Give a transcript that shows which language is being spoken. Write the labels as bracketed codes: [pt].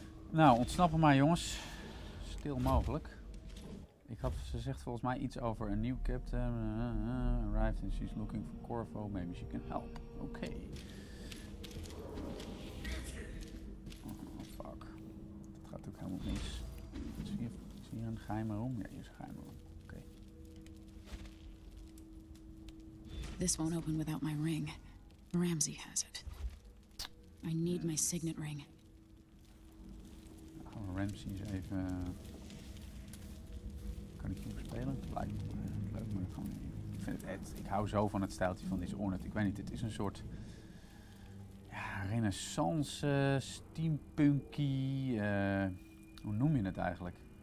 [nl] Nou, ontsnappen maar jongens. Stil mogelijk. Ik had, ze zegt volgens mij iets over een nieuw captain. [en] Arrived and she's looking for Corvo. Maybe she can help. Oké. Oh, fuck. [nl] Dat gaat ook helemaal mis. Is hier een geheime room? Ja, hier is een geheime room. Oké. [en] This won't open without my ring. Ramsey has it. I need my signet ring. [nl] Gaan we Ramsey eens even. Kan ik hier spelen? Leuk, maar gewoon. Ik hou zo van het stijltje van deze Ornette. Ik weet niet, het is een soort. Ja, renaissance, steampunky. Hoe noem je het eigenlijk?